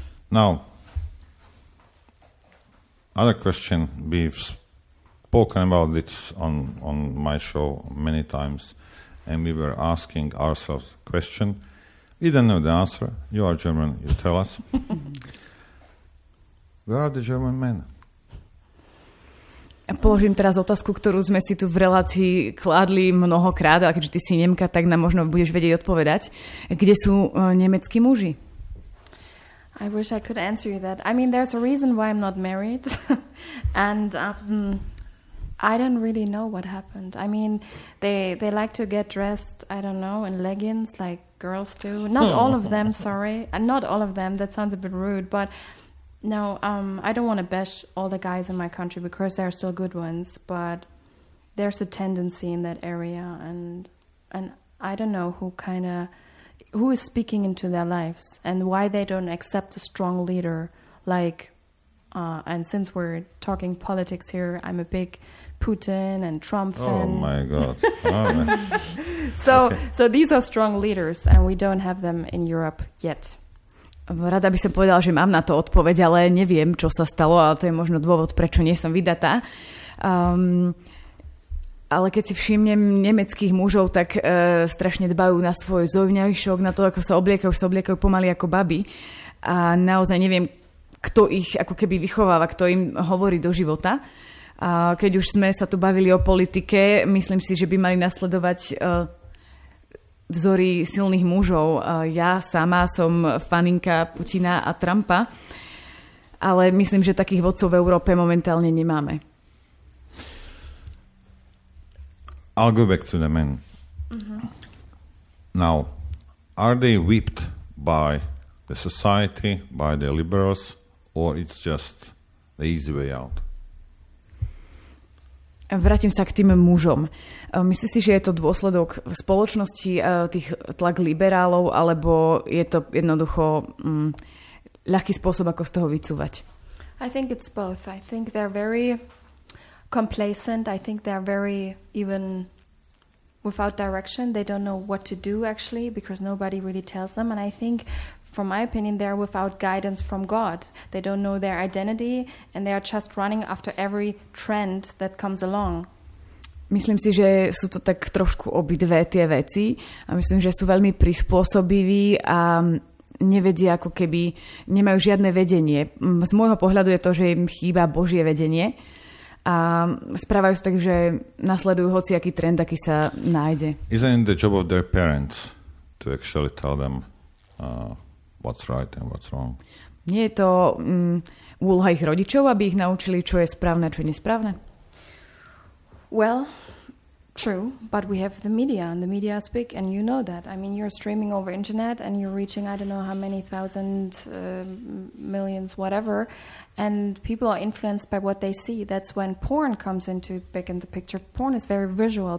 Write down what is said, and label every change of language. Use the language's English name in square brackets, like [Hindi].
[English] Now, other question, we've spoken about this on my show many times. And we were asking ourselves a question. We don't know the answer. You are German. You tell us. Where are the German men? [Slovak] Položím teraz otázku, ktorú sme si tu v relácii kladli mnohokrát, ale keďže ty si Nemka, tak nám možno budeš vedieť odpovedať. Kde sú nemeckí muži? [English] I wish I could answer you that. I mean, there's a reason why I'm not married. And... I don't really know what happened. I mean, they like to get dressed, I don't know, in leggings like girls do. Not all of them, sorry. And not all of them, that sounds a bit rude. But no, I don't want to bash all the guys in my country because they're still good ones. But there's a tendency in that area. And I don't know who is speaking into their lives and why they don't accept a strong leader. Like, and since we're talking politics here, I'm a big... Putin and Trump. Oh my God. So these are strong leaders and we don't have them in Europe yet. [Slovak] Rada by som povedala, že mám na to odpoveď, ale neviem, čo sa stalo, ale to je možno dôvod, prečo nie som vydatá. Ale keď si všimnem nemeckých mužov, tak strašne dbajú na svoj zovňajšok, na to, ako sa obliekajú, už sa obliekajú pomaly ako baby. A naozaj neviem, kto ich ako keby vychováva, kto im hovorí do života. A keď už sme sa tu bavili o politike, myslím si, že by mali nasledovať vzory silných mužov. Ja sama som faninka Putina a Trumpa, ale myslím, že takých vodcov v Európe momentálne nemáme. [English] I'll go back to the men. Mm-hmm. Now, are they whipped by the society, by the liberals, or it's just the easy way out? [Slovak] Vrátim sa k tým mužom. Myslíš si, že je to dôsledok spoločnosti tých tlak liberálov, alebo je to jednoducho ľahký spôsob, ako z toho vycúvať? [English] I think it's both. I think they're very complacent. I think they're very even without direction. They don't know what to do actually, because nobody really tells them. And I think from my opinion, they are without guidance from God. They don't know their identity and they are just running after every trend that comes along. [Slovak] Myslím si, že sú to tak trošku obidve tie veci a myslím, že sú veľmi prispôsobiví a nevedia, ako keby nemajú žiadne vedenie. Z môjho pohľadu je to, že im chýba Božie vedenie a správajú sa tak, že nasledujú hociaký trend, aký sa nájde. [English] Isn't it the job of their parents to actually tell them what's right and what's wrong? [Slovak] Nie je to úloha ich rodičov, aby ich naučili, čo je správne a čo je nesprávne? [English] Well, true, but we have the media, and the media speak, and you know that. I mean, you're streaming over internet, and you're reaching, I don't know how many thousand, millions, whatever, and people are influenced by what they see. That's when porn comes into big in the picture. Porn is very visual.